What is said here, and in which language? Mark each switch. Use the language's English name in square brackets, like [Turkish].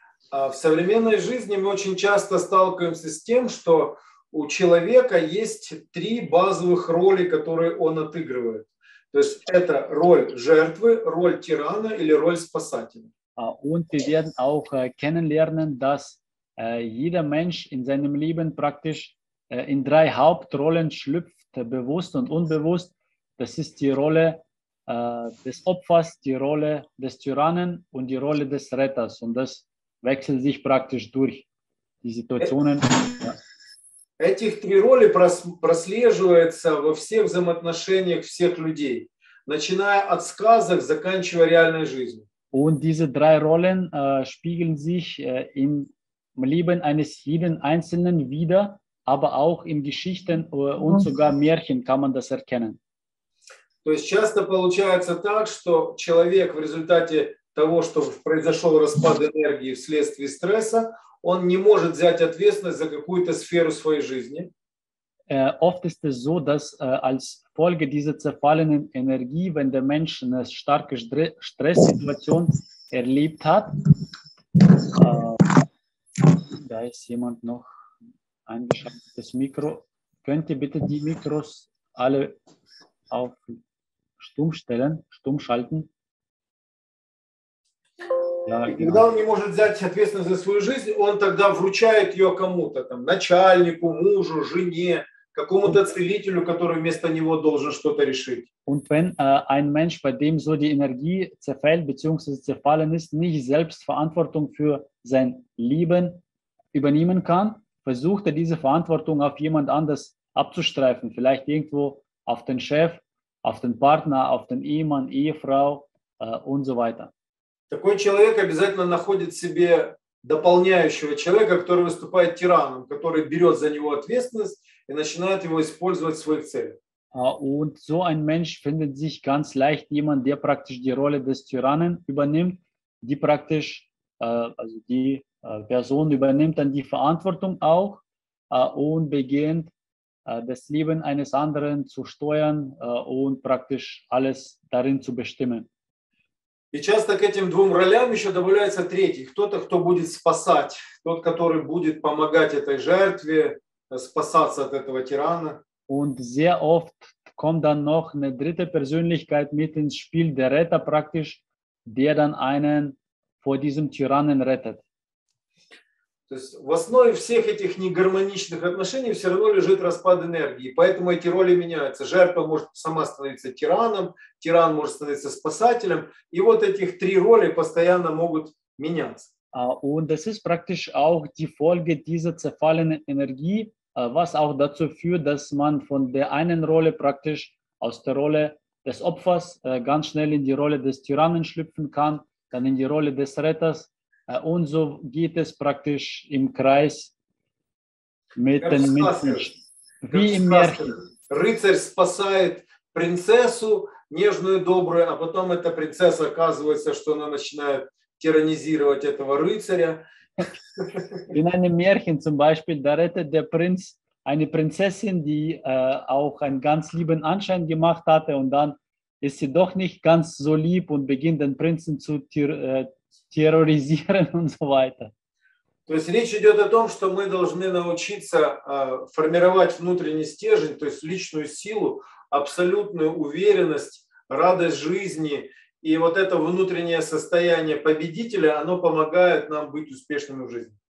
[Russian] В современной жизни мы очень часто сталкиваемся с тем, что у человека есть 3 базовых роли, которые он отыгрывает. То есть это роль жертвы, роль тирана или роль спасателя. [German] Und wir werden auch kennenlernen, dass jeder Mensch in seinem Leben praktisch in 3 Hauptrollen schlüpft, bewusst und unbewusst. Das ist die Rolle des Opfers, die Rolle des Tyrannen und die Rolle des Retters. Und das wechselt sich praktisch durch die Situationen. [Russian] Этих 3 роли прослеживается во всех взаимоотношениях всех людей, начиная от сказок, заканчивая реальной жизнью. [German] Und diese 3 Rollen spiegeln sich in im Leben eines jeden Einzelnen wieder, aber auch in Geschichten und sogar Märchen kann man das erkennen. [Russian] То есть часто получается так, что человек в результате того, что произошел распад энергии вследствие стресса, он не может взять ответственность за какую-то сферу своей жизни. [German] Oft ist es so, dass als Folge dieser zerfallenen Energie, wenn der Mensch eine starke Stresssituation erlebt hat, da ist jemand noch eingeschaltet, das Mikro. Könnt ihr bitte die Mikros alle auf stumm stellen, stumm schalten? Ja, genau. [Russian] Когда он не может взять ответственность за свою жизнь, он тогда вручает ее кому-то, там, начальнику, мужу, жене, какому-то целителю, который вместо него должен что-то решить. [German] Und wenn ein Mensch, bei dem so die Energie zerfällt bzw. zerfallen ist, nicht selbst Verantwortung für sein Leben übernehmen kann, versucht diese Verantwortung auf jemand anders abzustreifen, vielleicht irgendwo auf den Chef auf den Partner, auf den Ehemann, Ehefrau und so weiter. [Russian] Такой человек обязательно находит себе дополняющего человека, который выступает тираном, который берет за него ответственность и начинает его использовать в своих целях. [German] Und so ein Mensch findet sich ganz leicht jemand, der praktisch die Rolle des Tyrannen übernimmt, die praktisch, also die Person übernimmt dann die Verantwortung auch und beginnt, das Leben eines anderen zu steuern und praktisch alles darin zu bestimmen. [Russian] И часто к этим двум ролям еще добавляется третий, кто-то, кто будет спасать, тот, который будет помогать этой жертве спасаться от этого тирана. [German] Und sehr oft kommt dann noch eine dritte Persönlichkeit mit ins Spiel, der Retter praktisch, der dann einen vor diesem Tyrannen rettet. [Russian] То есть в основе всех этих негармоничных отношений все равно лежит распад энергии, поэтому эти роли меняются. Жертва может сама становиться тираном, тиран может становиться спасателем, и вот этих три роли постоянно могут меняться. [German] Und das ist praktisch auch die Folge dieser zerfallenen Energie, was auch dazu führt, dass man von der einen Rolle praktisch aus der Rolle des Opfers ganz schnell in die Rolle des Tyrannen schlüpfen kann, dann in die Rolle des Retters. Und so geht es praktisch im Kreis mit den Menschen. Wie im Märchen. [Russian] Рыцарь спасает принцессу нежную и добрую, а потом эта принцесса оказывается, что она начинает тиранизировать этого рыцаря. [German] In einem Märchen zum Beispiel, da rettet der Prinz eine Prinzessin, die auch einen ganz lieben Anschein gemacht hatte, und dann ist sie doch nicht ganz so lieb und beginnt den Prinzen zu terrorisieren und so weiter. [Russian] То есть речь идет о том, что мы должны научиться формировать внутренний стержень, то есть личную силу, абсолютную уверенность, радость жизни. И вот это внутреннее состояние победителя, оно помогает нам быть успешными в жизни.